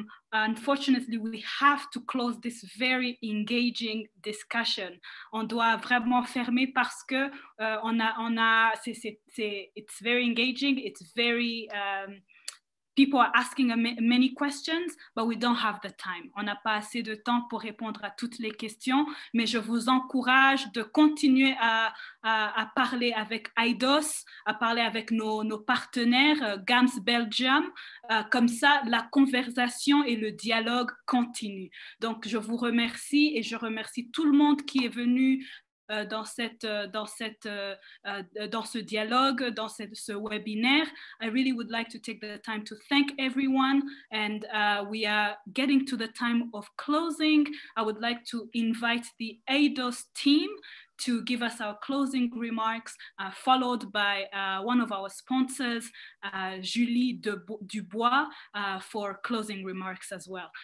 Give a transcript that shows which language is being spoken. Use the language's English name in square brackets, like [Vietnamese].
[English] Unfortunately, we have to close this very engaging discussion. [French] On doit vraiment fermer parce que [English] it's very engaging. It's very... people are asking many questions, but we don't have the time. [French] On n'a pas assez de temps pour répondre à toutes les questions, mais je vous encourage de continuer à parler avec AIDOS, à parler avec nos partenaires, GAMS Belgium. Comme ça, la conversation et le dialogue continuent. Donc, je vous remercie et je remercie tout le monde qui est venu dans ce webinaire. [English] I really would like to take the time to thank everyone, and we are getting to the time of closing. I would like to invite the AIDOS team to give us our closing remarks, followed by one of our sponsors, Julie Dubois, for closing remarks as well.